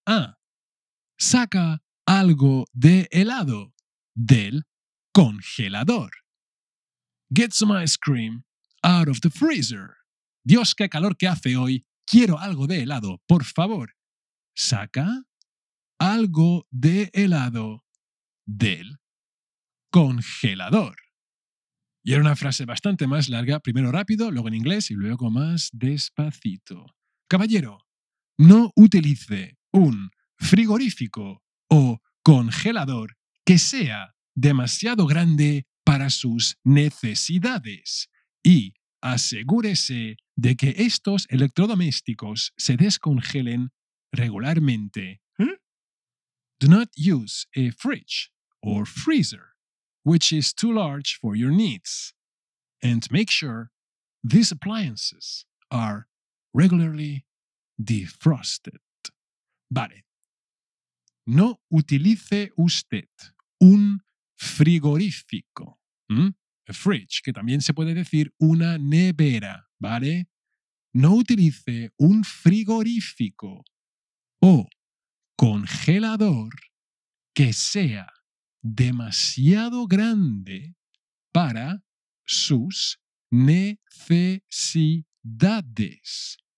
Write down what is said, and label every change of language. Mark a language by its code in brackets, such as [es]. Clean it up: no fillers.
[es] Ah, saca algo de helado del congelador. [en] Get some ice cream out of the freezer. [es] Dios, qué calor que hace hoy. Quiero algo de helado, por favor. Saca algo de helado del congelador. Y era una frase bastante más larga. Primero rápido, luego en inglés y luego más despacito. Caballero, no utilice un frigorífico o congelador que sea demasiado grande para sus necesidades. Y asegúrese de que estos electrodomésticos se descongelen regularmente. [en] Do not use a fridge or freezer which is too large for your needs. And make sure these appliances are regularly defrosted. [es] Vale. No utilice usted un frigorífico. A fridge, que también se puede decir una nevera, ¿vale? No utilice un frigorífico o congelador que sea demasiado grande para sus necesidades.